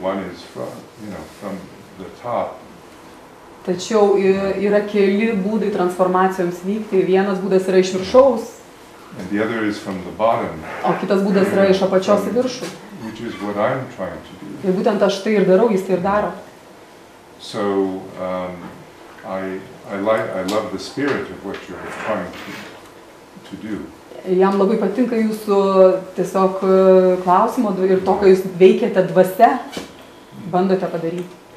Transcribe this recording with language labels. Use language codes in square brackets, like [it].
[en] One is from, you know, from the top. [lt] Tačiau yra keli būdai transformacijoms vykti. Vienas būdas yra iš viršaus. [en] And the other is from the bottom. [lt] O kitas būdas yra iš apačios į viršų. [en] Which is what I'm trying to do. [lt] Ir būtent aš tai ir darau, jis tai ir daro. [en] So I love the spirit of what you're trying to do. [lt] Jam labai patinka jūsų tiesiog klausimo ir to, ką jūs veikiate dvase, bandote padaryti.